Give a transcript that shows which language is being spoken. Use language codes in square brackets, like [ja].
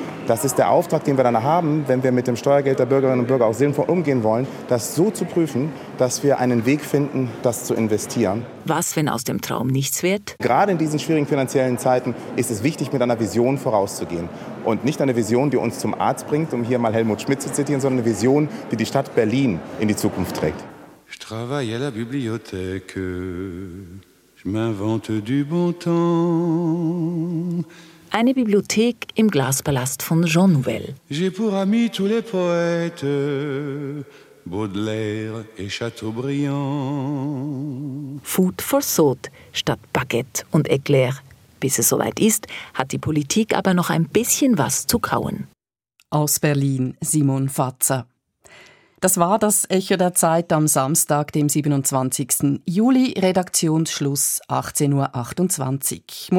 [de] Das ist der Auftrag, den wir dann haben, wenn wir mit dem Steuergeld der Bürgerinnen und Bürger auch sinnvoll umgehen wollen, das so zu prüfen, dass wir einen Weg finden, das zu investieren. Was, wenn aus dem Traum nichts wird? Gerade in diesen schwierigen finanziellen Zeiten ist es wichtig, mit einer Vision vorauszugehen. Und nicht eine Vision, die uns zum Arzt bringt, um hier mal Helmut Schmidt zu zitieren, sondern eine Vision, die die Stadt Berlin in die Zukunft trägt. [fr] Je travaille à la bibliothèque. Je m'invente du bon temps. [de] Eine Bibliothek im Glaspalast von Jean Nouvel. [fr] J'ai pour amis tous les poètes, Baudelaire et Chateaubriand. [en] Food for thought [de] statt Baguette und Eclair. Bis es soweit ist, hat die Politik aber noch ein bisschen was zu kauen. Aus Berlin, Simon Fatzer. Das war das Echo der Zeit am Samstag, dem 27. Juli, Redaktionsschluss 18.28 Uhr.